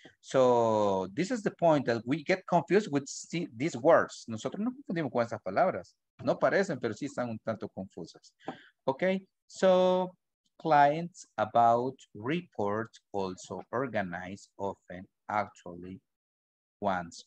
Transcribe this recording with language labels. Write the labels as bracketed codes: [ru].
[en] So, this is the point that we get confused with these words. [es] Nosotros no confundimos con esas palabras. No parecen, pero sí están un tanto confusas. [en] Okay? So, clients, about, report, also, organize, often, actually, once.